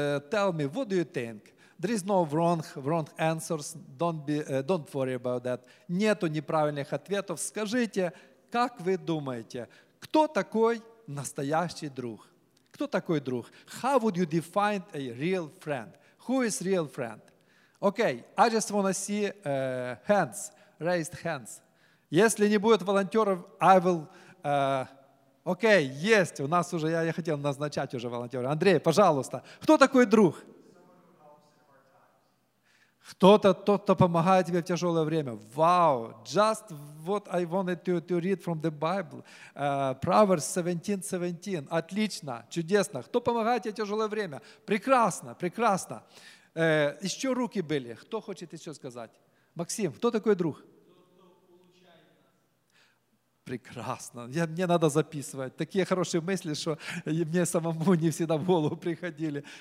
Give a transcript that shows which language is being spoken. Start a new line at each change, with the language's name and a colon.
English: Tell me, what do you think? There is no wrong answers. Don't worry about that.
Russian: Нету неправильных ответов. Скажите, как вы думаете, кто такой настоящий друг? Кто такой друг?
English: How would you define a real friend? Who is real friend? Okay, I just want to see hands, raised hands.
Russian: Если не будет волонтеров,
English: I will...
Russian: Окей, есть, у нас уже, я хотел назначать уже волонтера. Андрей, пожалуйста, кто такой друг? Кто-то, тот, кто помогает тебе в тяжелое время. Вау,
English: just what I wanted to read from the Bible. Proverbs 17:17.
Russian: Отлично, чудесно. Кто помогает тебе в тяжелое время? Прекрасно, прекрасно. Еще руки были. Кто хочет еще сказать? Максим, кто такой друг? Прекрасно. Мне надо записывать. Такие хорошие мысли, что мне самому не всегда в голову приходили.